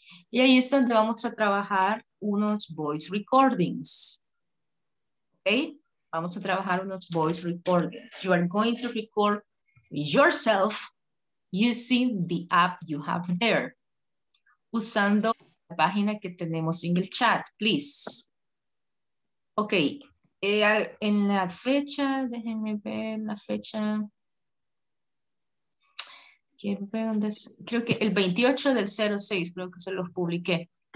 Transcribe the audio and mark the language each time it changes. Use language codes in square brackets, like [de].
[es] Y ahí es donde vamos a trabajar unos voice recordings. Okay? Vamos a trabajar unos voice recordings. [en] You are going to record yourself using the app you have there. [es] Usando la página que tenemos en el chat, please. Okay, en la fecha, déjenme ver la fecha. Quiero ver dónde es. Creo que el 28 del 06, creo que se los publiqué.